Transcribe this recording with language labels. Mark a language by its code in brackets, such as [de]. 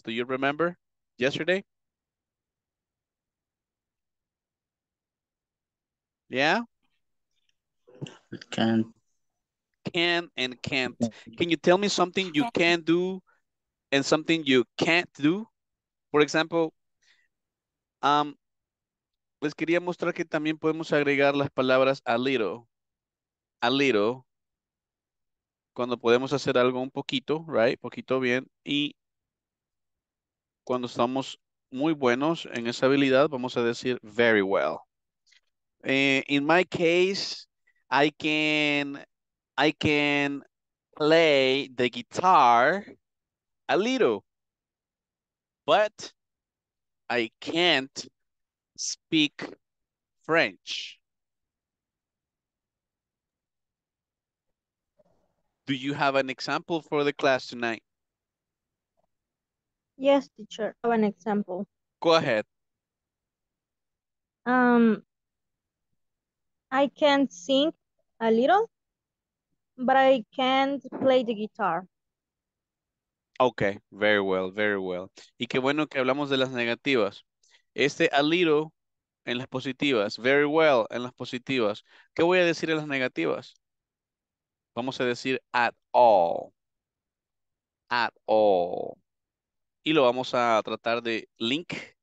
[en] Do you remember yesterday? Yeah? Can Can and can't. Can you tell me something you can do and something you can't do? For example, [es] les quería mostrar que también podemos agregar las palabras [en] a little, [es] cuando podemos hacer algo un poquito, [en] right? [es] Poquito bien. Y cuando estamos muy buenos en esa habilidad, vamos a decir [en] very well. In my case, I can play the guitar a little, but I can't speak French. Do you have an example for the class tonight? Yes, teacher. I have an example. Go ahead. I can sing a little, but I can't play the guitar. Okay, very well, very well. [es] Y qué bueno que hablamos de las negativas. Este [en] a little [es] en las positivas, [en] very well [es] en las positivas. ¿Qué voy a decir en las negativas? Vamos a decir [en] at all. At all. [es] Y lo vamos a tratar de link.